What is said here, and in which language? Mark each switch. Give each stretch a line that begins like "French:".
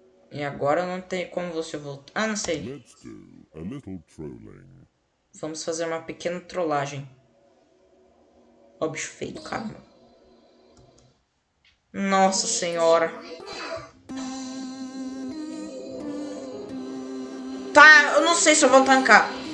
Portuguese: E agora não tem como você voltar. Ah, não sei.
English: Let's do a little trolling.
Portuguese: Vamos fazer uma pequena trollagem. Ó, bicho feio, cara. Nossa senhora. Tá, eu não sei se eu vou tancar.